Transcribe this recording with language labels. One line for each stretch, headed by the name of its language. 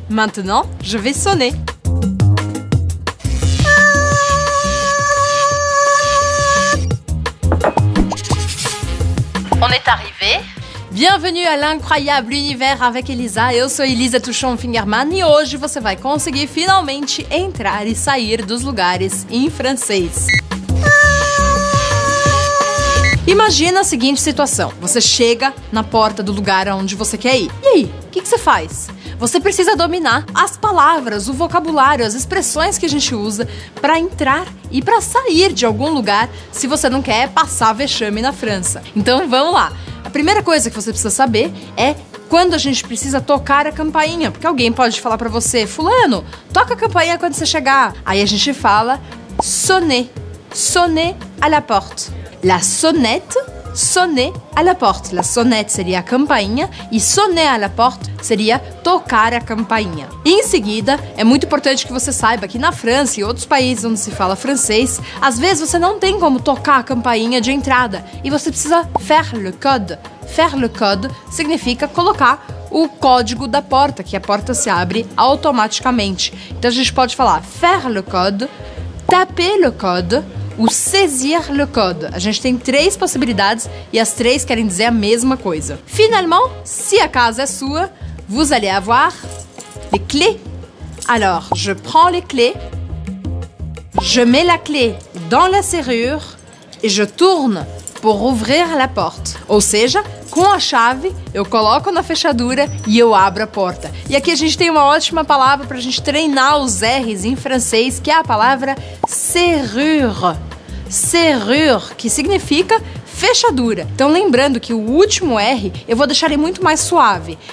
French: Maintenant, je vais sonner. On est arrivé. Bienvenue à l'incroyable univers avec Elisa.
Portuguese: Eu sou Elisa Tuchon Fingerman e hoje você vai conseguir finalmente entrar e sair dos lugares em francês. Imagina a seguinte situação. Você chega na porta do lugar onde você quer ir. E aí, o que você faz? Você precisa dominar as palavras, o vocabulário, as expressões que a gente usa para entrar e para sair de algum lugar se você não quer passar vexame na França. Então vamos lá. A primeira coisa que você precisa saber é quando a gente precisa tocar a campainha. Porque alguém pode falar para você, fulano, toca a campainha quando você chegar. Aí a gente fala,
French: sonner, sonner à la porte. La sonnette, sonner à la porte. La sonnette
Portuguese: seria a campainha e
French: sonner à la porte
Portuguese: seria tocar a campainha. Em seguida, é muito importante que você saiba que na França e outros países onde se fala francês, às vezes você não tem como tocar a campainha de entrada e você precisa
French: faire le code. Faire le code
Portuguese: significa colocar o código da porta, que a porta se abre automaticamente. Então a gente pode falar
French: faire le code, taper le code, o saisir le code.
Portuguese: A gente tem três possibilidades e as três querem dizer a mesma coisa.
French: Finalement, si
Portuguese: a casa é sua,
French: vous allez avoir les clés. Alors, je prends les clés, je mets la clé dans la serrure et je tourne pour ouvrir la porte.
Portuguese: Ou seja, com a chave, eu coloco na fechadura e eu abro a porta. E aqui a gente tem uma ótima palavra para a gente treinar os R's em francês, que é a palavra serrure. Serrure, que significa fechadura. Então lembrando que o último R eu vou deixar ele muito mais suave.